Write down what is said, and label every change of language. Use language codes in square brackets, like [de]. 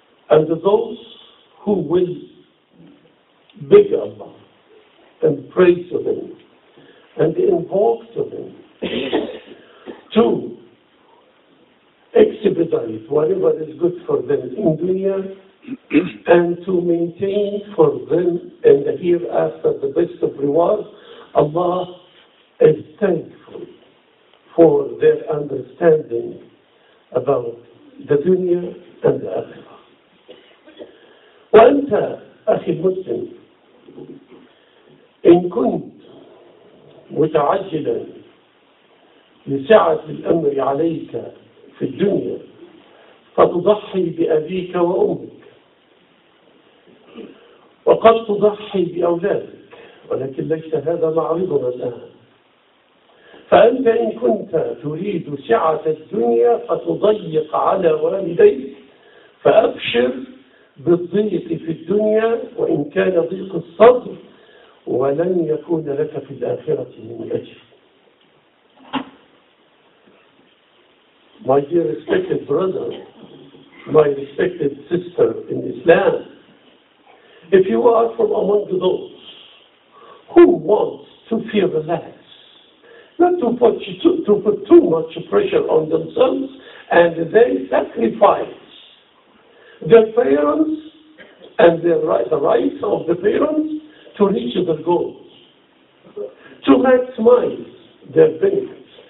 [en] And those who will beg Allah and pray to Him and invoke to Him to expedite whatever is good for them in dunya and to maintain for them in the hereafter the best of rewards, Allah is thankful for their understanding about the dunya and the akhirah. [ar] وأنت أخي المسلم إن كنت متعجلا لسعة الأمر عليك في الدنيا فتضحي بأبيك وأمك وقد تضحي بأولادك ولكن ليس هذا معرضنا الآن. ف فأنت إن كنت تريد سعة الدنيا فتضيق على والديك، فأبشر بالضيق في الدنيا وإن كان ضيق الصدر، ولن يكون لك في الآخرة من أجل. [en] My dear respected brother, my respected sister in Islam, if you are from among those who wants to fear the less, not to put, to put too much pressure on themselves, and they sacrifice their parents and their, the rights of the parents to reach their goals, to maximize their benefits.